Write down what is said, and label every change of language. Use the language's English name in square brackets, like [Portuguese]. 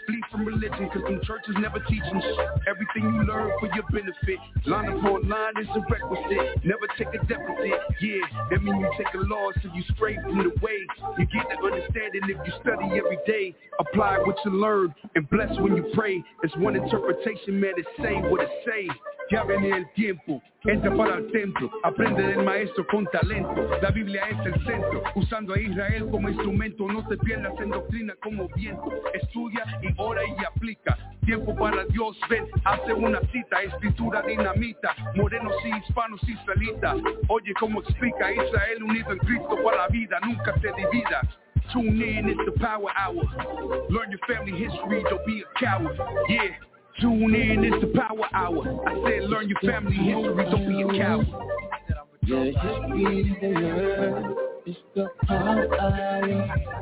[English] Flee from religion, cause them churches never teaching shit. Everything you learn for your benefit. Line upon line is a requisite. Never take a deficit. Yeah, that mean you take a loss and you stray from the way. You get the understanding if you study every day. Apply what you learn and bless when you pray. It's one interpretation, man, it's saying what it say. [Spanish] Ya viene el tiempo, entra para el templo, aprende del maestro con talento, la Biblia es el centro, usando a Israel como instrumento, no te pierdas en doctrina como viento, estudia y ora y aplica, tiempo para Dios, ven, hace una cita, escritura dinamita, morenos y hispanos, israelita, oye cómo explica, Israel unido en Cristo para la vida, nunca se divida. [English] Tune in, it's the power hour, learn your family history, don't be a coward, yeah. Tune in, it's the power hour. I said learn your family history, don't be a coward. The history of the world is the power hour.